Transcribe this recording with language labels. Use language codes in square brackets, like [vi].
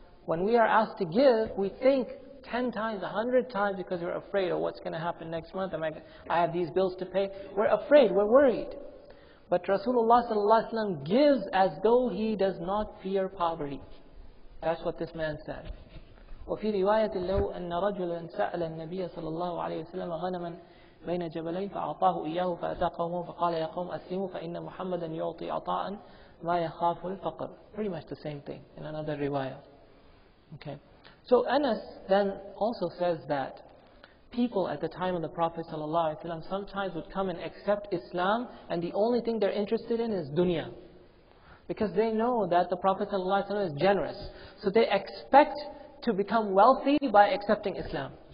[en] When we are asked to give, we think 10 times, 100 times because we're afraid of what's going to happen next month. I have these bills to pay. We're afraid, we're worried. But Rasulullah ﷺ gives as though he does not fear poverty. That's what this man said. [ar] وفي رواية له أن رجلا سأل النبي صلى الله عليه وسلم غنما بين جبلين فأعطاه إياه فأتى قومه فقال يا قوم أسلموا فإن محمدا يعطي عطاء ما يخاف الفقر. [en] Pretty much the same thing in another riwayah. Okay. So Anas then also says that people at the time of the Prophet صلى الله عليه وسلم sometimes would come and accept Islam and the only thing they're interested in is dunya. Because they know that the Prophet صلى الله عليه وسلم is generous. So they expect to become wealthy by accepting Islam.